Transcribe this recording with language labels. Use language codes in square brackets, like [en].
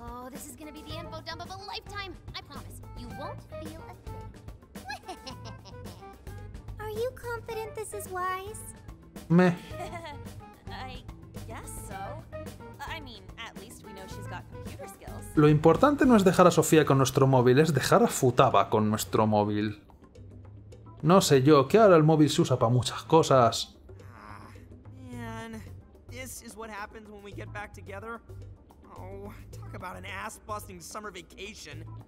[en] Oh, this is gonna be the info dump of a lifetime. I promise. You won't feel a thing. Are you confident this is wise? Meh. I guess so. I mean, at least we know she's got computer skills. [es] Lo importante no es dejar a Sofía con nuestro móvil, es dejar a Futaba con nuestro móvil. No sé yo, que ahora el móvil se usa para muchas cosas. [en] Man, this is what happens when we get back together. Oh, talk about an ass-busting summer vacation.